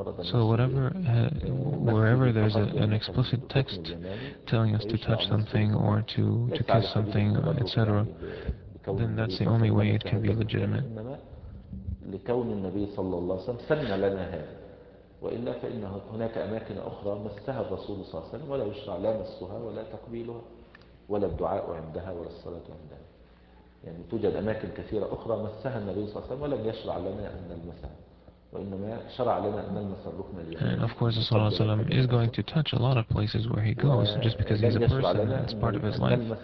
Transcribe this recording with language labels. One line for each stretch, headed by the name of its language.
English: So whatever, wherever there's an explicit text telling us to touch something or to kiss something, etc., then that's the only way it can be legitimate.
Arabic: لكون النبي صلى الله عليه وسلم سن لنا هذا، وإلا فإن هناك أماكن أخرى مسها الرسول صلى الله عليه وسلم ولا يشرع لا مسها ولا تقبيلها ولا الدعاء عندها ولا الصلاة عندها. يعني توجد أماكن كثيرة أخرى مسها النبي صلى الله عليه وسلم ولم يشرع لنا أن نلمسها، وإنما شرع لنا أن نلمس الركن اليماني.
English: And of course, صلى الله عليه وسلم is going to touch a lot of places where he goes, just because he's a person. It's part of his life.